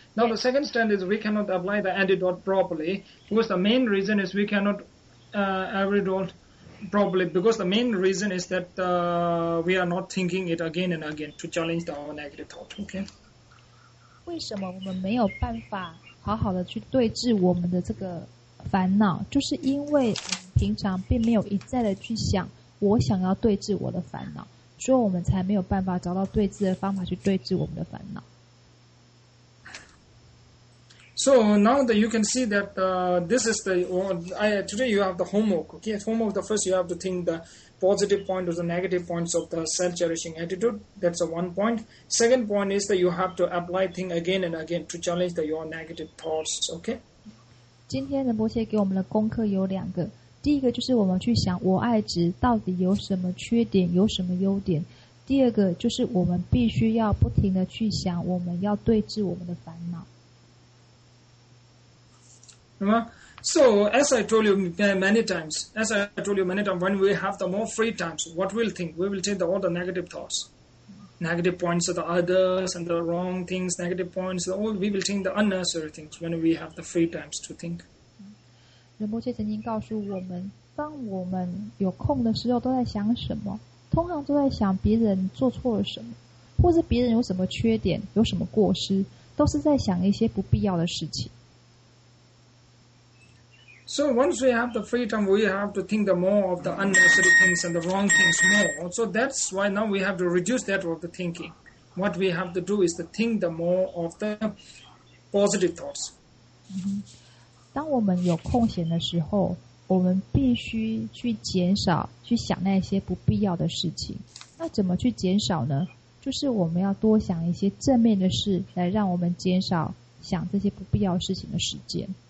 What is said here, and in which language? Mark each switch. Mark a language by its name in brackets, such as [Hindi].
[English] Now the second stand is we cannot apply the antidote properly because the main reason is we cannot antidote properly because the main reason is that we are not thinking it again and again to challenge our negative thought, okay? [Chinese] 为什么我们没有办法好好的去对治我们的这个烦恼？就是因为平常并没有一再的去想我想要对治我的烦恼。所以我们才没有办法找到对治的方法去对治我们的烦恼。 [English] So now that you can see that this is the today you have the homework. Okay, homework. The first you have to think the positive point or the negative points of the self-cherishing attitude. That's the one point. Second point is that you have to apply thing again and again to challenge the your negative thoughts. Okay. [Chinese] 今天仁波切给我们的功课有两个。第一个就是我们去想我爱值到底有什么缺点，有什么优点。第二个就是我们必须要不停的去想我们要对治我们的烦恼。 [English] So as I told you many times, when we have the more free times, what we'll think? We will take all the negative thoughts, negative points of the others and the wrong things, negative points. All we will think the unnecessary things when we have the free times to think. [Chinese] 仁波切曾经告诉我们，当我们有空的时候都在想什么，通常都在想别人做错了什么，或是别人有什么缺点，有什么过失，都是在想一些不必要的事情。 [English] So once we have the freedom, we have to think the more of the unnecessary things and the wrong things more. So that's why now we have to reduce that of the thinking. What we have to do is to think the more of the positive thoughts. [Chinese] 当我们有空闲的时候，我们必须去减少去想那些不必要的事情。那怎么去减少呢？就是我们要多想一些正面的事，来让我们减少想这些不必要事情的时间。